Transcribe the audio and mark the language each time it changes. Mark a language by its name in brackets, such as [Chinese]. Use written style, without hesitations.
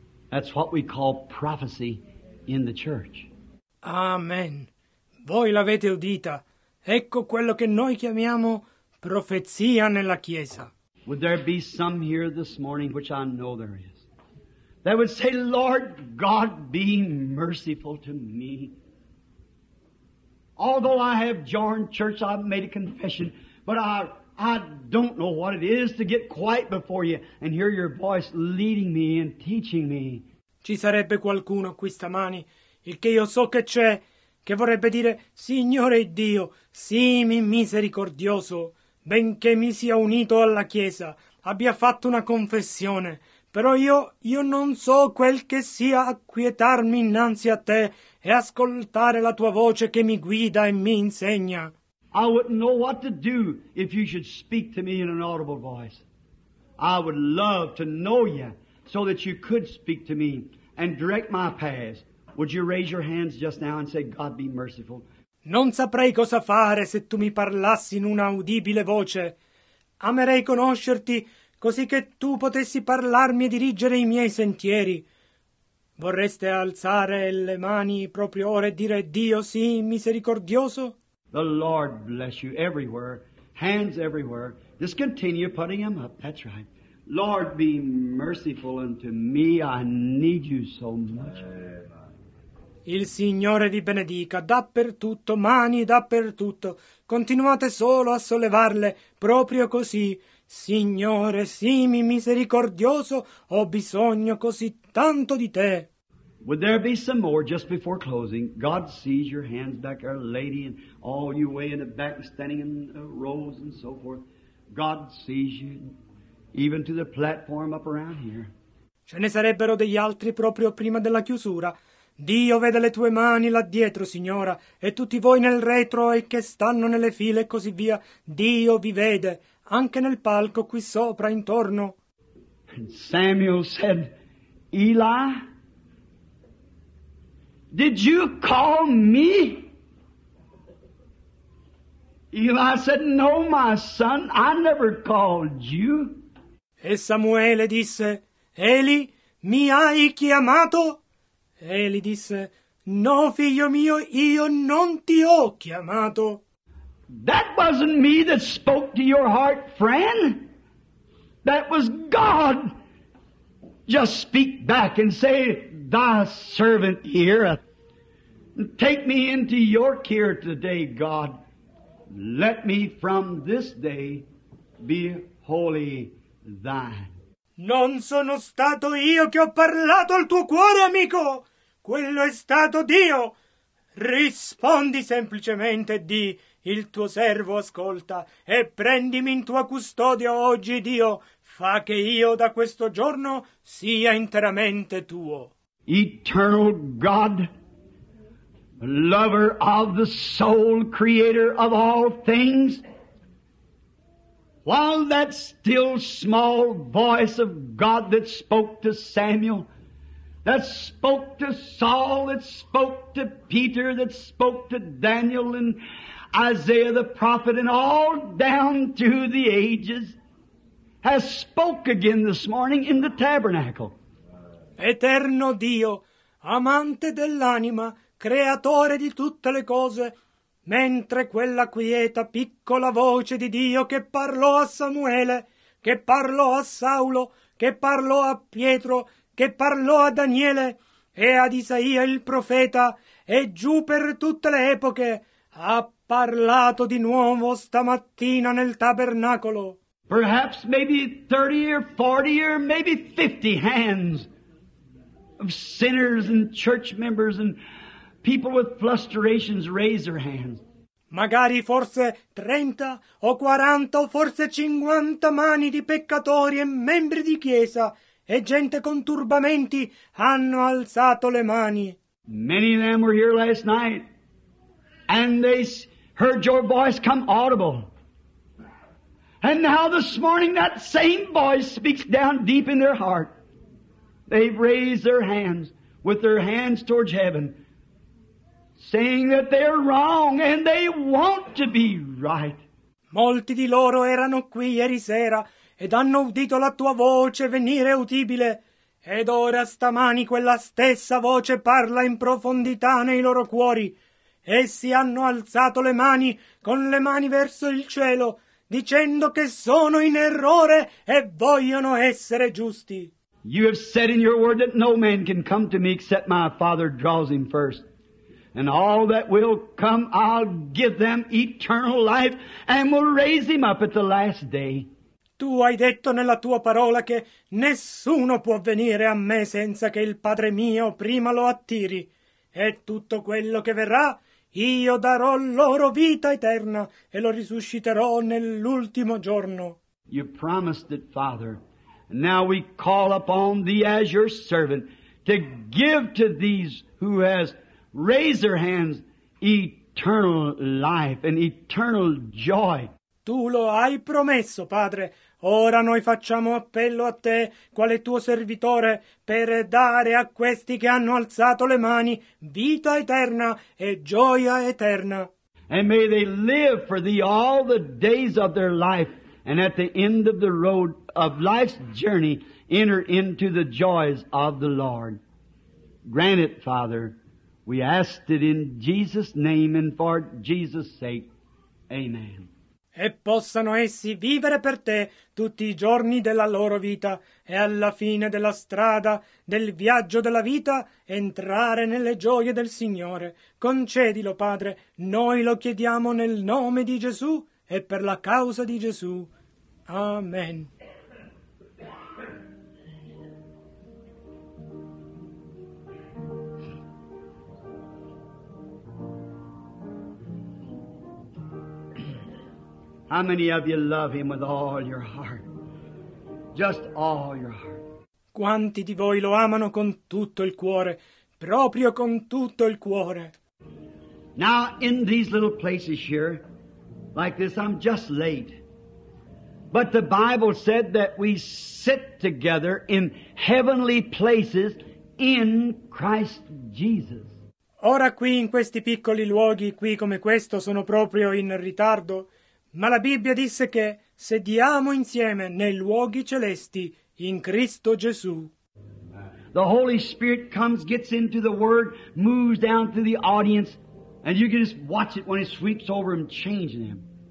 [English] That's what we call prophecy in the church. [Italian] Amen. Voi l'avete udita. Ecco quello che noi chiamiamo profezia nella Chiesa. [English] Would there be some here this morning, which I know there is, that would say, Lord God, be merciful to me. Although I have joined church, I've made a confession, but I don't know what it is to get quiet before you and hear your voice leading me and teaching me. [Italian] Ci sarebbe qualcuno qui stamani, il che io so che c'è, che vorrebbe dire, Signore Dio, sii misericordioso, benché mi sia unito alla Chiesa, abbia fatto una confessione, però io non so quel che sia acquietarmi innanzi a te e ascoltare la tua voce che mi guida e mi insegna. [English] I wouldn't know what to do if you should speak to me in an audible voice. I would love to know you so that you could speak to me and direct my paths. Would you raise your hands just now and say, God be merciful? [Italian] Non saprei cosa fare se tu mi parlassi in una udibile voce. Amerei conoscerti così che tu potessi parlarmi e dirigere i miei sentieri. Vorreste alzare le mani proprio ora e dire, Dio sii misericordioso? [English] The Lord bless you everywhere, hands everywhere. Just continue putting them up, that's right. Lord, be merciful unto me, I need you so much. [Italian] Il Signore vi benedica dappertutto, mani dappertutto. Continuate solo a sollevarle, proprio così. Signore, sii misericordioso, ho bisogno così tanto di te. [English] Would there be some more just before closing? God sees your hands back there, lady, and all you way in the back, standing in rows and so forth. God sees you, even to the platform up around here. [Italian] Ce ne sarebbero degli altri proprio prima della chiusura. Dio vede le tue mani là dietro, signora, e tutti voi nel retro e che stanno nelle file e così via. Dio vi vede, anche nel palco qui sopra, intorno. [English] And Samuel said, Eli, did you call me? Eli said, no, my son, I never called you. [Italian] E Samuele disse, Eli, mi hai chiamato? Eli disse, no, figlio mio, io non ti ho chiamato. [English] That wasn't me that spoke to your heart, friend. That was God. Just speak back and say, thy servant heareth. Take me into your care today, God. Let me from this day be wholly thine. [Italian] Non sono stato io che ho parlato al tuo cuore, amico. Quello è stato Dio. Rispondi semplicemente di il tuo servo ascolta e prendimi in tua custodia oggi, Dio. Fa che io da questo giorno sia interamente tuo. [English] Eternal God, lover of the soul, creator of all things, while that still small voice of God that spoke to Samuel, that spoke to Saul, that spoke to Peter, that spoke to Daniel and Isaiah the prophet and all down through the ages, has spoke again this morning in the tabernacle. [Italian] Eterno Dio, amante dell'anima, creatore di tutte le cose, mentre quella quieta piccola voce di Dio che parlò a Samuele, che parlò a Saulo, che parlò a Pietro, che parlò a Daniele e ad Isaia il profeta, e giù per tutte le epoche, ha parlato di nuovo stamattina nel tabernacolo. [English] Perhaps maybe 30 or 40 or maybe 50 hands of sinners and church members and people with frustrations raise their hands. [Italian] magari forse 30 o 40 o forse 50 mani di peccatori e membri di chiesa e gente con turbamenti hanno alzato le mani. [English] Many of them were here last night and they heard your voice come audible. And now this morning that same voice speaks down deep in their heart. They've raised their hands with their hands towards heaven, saying that they're wrong and they want to be right. [Italian] Molti di loro erano qui ieri sera ed hanno udito la tua voce venire udibile. Ed ora stamani quella stessa voce parla in profondità nei loro cuori. Essi hanno alzato le mani con le mani verso il cielo, dicendo che sono in errore e vogliono essere giusti. [English] You have said in your word that no man can come to me except my Father draws him first. And all that will come, I'll give them eternal life and will raise him up at the last day. [Italian] Tu hai detto nella tua parola che nessuno può venire a me senza che il Padre mio prima lo attiri. E tutto quello che verrà, io darò loro vita eterna e lo risusciterò nell'ultimo giorno. [English] You promised it, Father. Now we call upon thee as your servant to give to these who has raised their hands eternal life and eternal joy. [Italian] Tu lo hai promesso, Padre. Ora noi facciamo appello a te, quale tuo servitore, per dare a questi che hanno alzato le mani vita eterna e gioia eterna. [English] And may they live for thee all the days of their life, and at the end of the road of life's journey, enter into the joys of the Lord. Grant it, Father. We ask it in Jesus' name and for Jesus' sake. Amen. [Italian] E possano essi vivere per te tutti i giorni della loro vita e alla fine della strada, del viaggio della vita, entrare nelle gioie del Signore. Concedilo, Padre, noi lo chiediamo nel nome di Gesù e per la causa di Gesù. Amen. [English] How many of you love him with all your heart? Just all your heart. [Italian] Quanti di voi lo amano con tutto il cuore? Proprio con tutto il cuore. [English] Now, in these little places here, like this, I'm just late. But the Bible said that we sit together in heavenly places in Christ Jesus. [Italian] Ora qui, in questi piccoli luoghi, qui come questo, sono proprio in ritardo. Ma la Bibbia disse che sediamo insieme nei luoghi celesti in Cristo Gesù. [English] The Holy Spirit comes, gets into the Word, moves down to the audience, and you can just watch it when it sweeps over him, changing him.